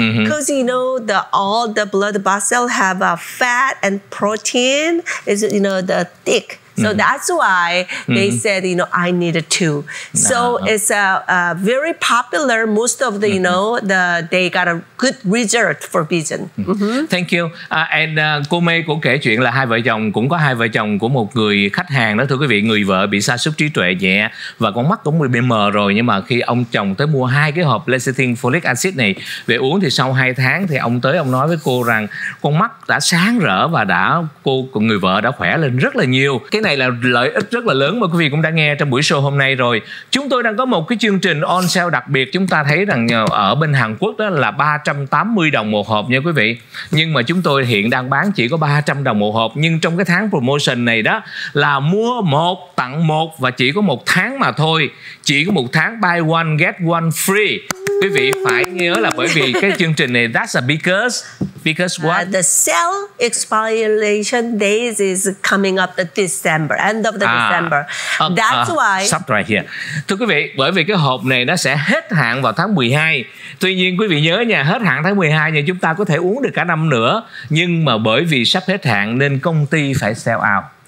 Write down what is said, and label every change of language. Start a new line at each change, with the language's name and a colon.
English: Because, you know, the all the blood vessel have a fat and protein is, you know, the thick. So that's why they said, you know, I needed to. So it's a very popular, most of the, you know, the they got a good result for vision. Thank you.
Vietnamese: And cô May cũng kể chuyện là hai vợ chồng, cũng có hai vợ chồng của một người khách hàng đó, thưa quý vị, người vợ bị sa sút trí tuệ nhẹ và con mắt cũng bị mờ rồi, nhưng mà khi ông chồng tới mua hai cái hộp lecithin folic acid này về uống thì sau 2 tháng thì ông tới ông nói với cô rằng con mắt đã sáng rỡ và đã cô người vợ đã khỏe lên rất là nhiều. Cái này là lợi ích rất là lớn mà quý vị cũng đã nghe trong buổi show hôm nay rồi. Chúng tôi đang có một cái chương trình on sale đặc biệt. Chúng ta thấy rằng ở bên Hàn Quốc đó là 380 đồng một hộp nha quý vị. Nhưng mà chúng tôi hiện đang bán chỉ có 300 đồng một hộp. Nhưng trong cái tháng promotion này đó là mua 1 tặng 1 và chỉ có 1 tháng mà thôi. Chỉ có 1 tháng
English: buy 1 get 1 free.
Vietnamese: Quý vị phải nhớ là bởi vì cái chương trình này
English: that's a because... Because what? The sale expiration days is coming up the December, end of the December. That's why.
Vietnamese: Sắp rồi kìa. Thưa quý vị, bởi vì cái hộp này nó sẽ hết hạn vào tháng 12. Tuy nhiên quý vị nhớ nha, hết hạn tháng 12 nha, chúng ta có thể uống được cả năm nữa. Nhưng mà bởi vì sắp hết hạn nên công ty phải
English: sell out.